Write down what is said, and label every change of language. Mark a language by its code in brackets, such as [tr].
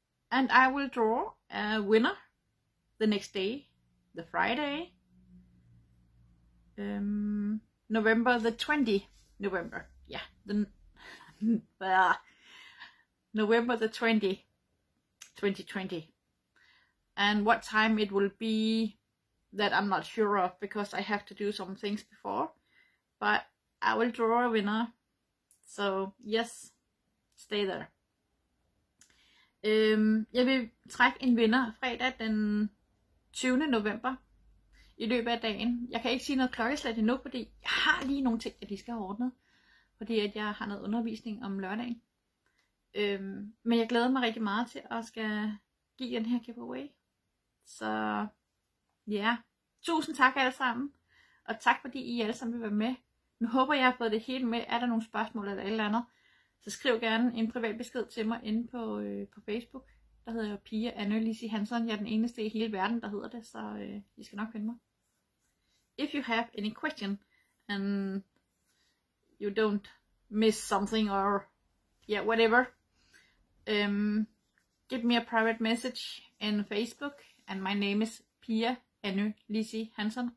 [en] And I will draw a winner the next day, the Friday, November the 20th, November, yeah, the November the 20th, 2020. And what time it will be, that I'm not sure of, because I have to do some things before, but I will draw a winner, so yes, stay there. [da] Jeg vil trække en vinder fredag den 20. november i løbet af dagen. Jeg kan ikke sige noget klokkeslæt endnu, fordi jeg har lige nogle ting, jeg lige skal have ordnet. Fordi at jeg har noget undervisning om lørdagen. Men jeg glæder mig rigtig meget til at skal give den her giveaway. Så ja, tusind tak alle sammen. Og tak fordi I alle sammen vil være med. Nu håber jeg har fået det hele med. Er der nogle spørgsmål eller et eller andet? Så skriv gerne en privat besked til mig inde på, på Facebook. Der hedder jeg Pia Annelise Hansen. Jeg er den eneste i hele verden, der hedder det, så I skal nok finde mig. [en] If you have any question, and you don't miss something, or yeah, whatever, give me a private message in Facebook, and my name is Pia Annelise Hansen.